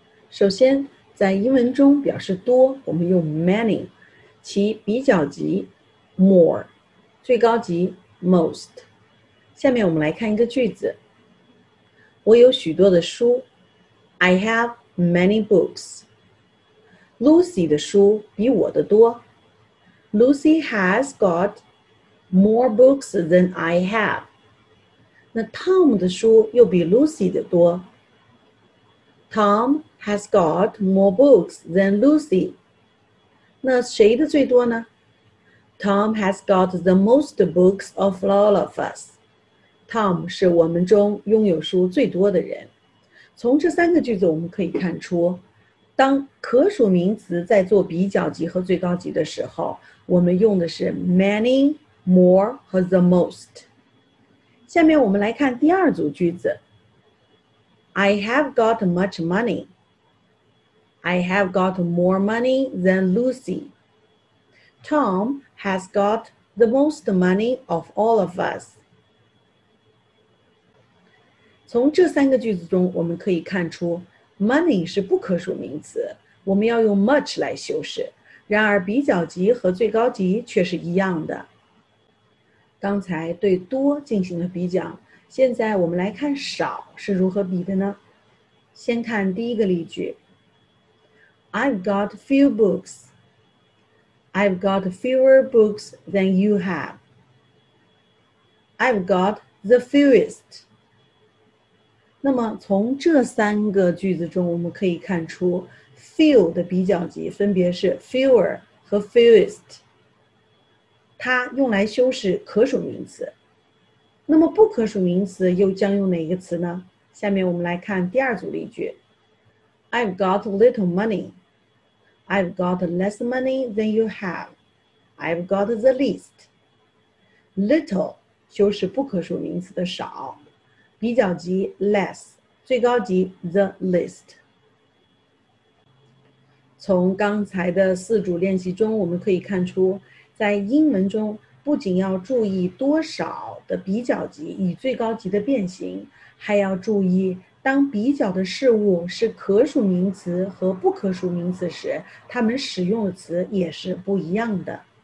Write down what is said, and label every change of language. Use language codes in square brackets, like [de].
[zh] 首先,在英文中表示多,我们用 many,其比较级 more, 最高级 most. 下面我们来看一个句子。我有许多的书。 [en] I have many books. [zh] Lucy 的书比我的多。 [en] Lucy has got more books than I have. [zh] 那 Tom 的书又比 Lucy 的多。 [en] Tom has got more books than Lucy. [zh] 那谁的最多呢? [en] Tom has got the most books of all of us. [zh] Tom 是我们中拥有书最多的人。从这三个句子我们可以看出，当可数名词在做比较级和最高级的时候，我们用的是 many, more 和 the most。下面我们来看第二组句子。 [en] I have got much money. I have got more money than Lucy. Tom has got the most money of all of us. [zh] 从这三个句子中我们可以看出 money 是不可数名词，我们要用 much 来修饰，然而比较级和最高级却是一样的。刚才对多进行了比较，现在我们来看少是如何比的呢？先看第一个例句。 [en] I've got few books. I've got fewer books than you have. I've got the fewest. [zh] 那么从这三个句子中我们可以看出 few 的比较级分别是 fewer 和 fewest. 它用来修饰可数名词。那么不可数名词又将用哪一个词呢？下面我们来看第二组例句。 [en] I've got little money. I've got less money than you have. I've got the least. [zh] Little 修饰不可数名词的少，比较级 less, 最高级 the least. 从刚才的四组练习中我们可以看出，在英文中不仅要注意多少的比较级与最高级的变形，还要注意当比较的事物是可数名词和不可数名词时，它们使用的词也是不一样的。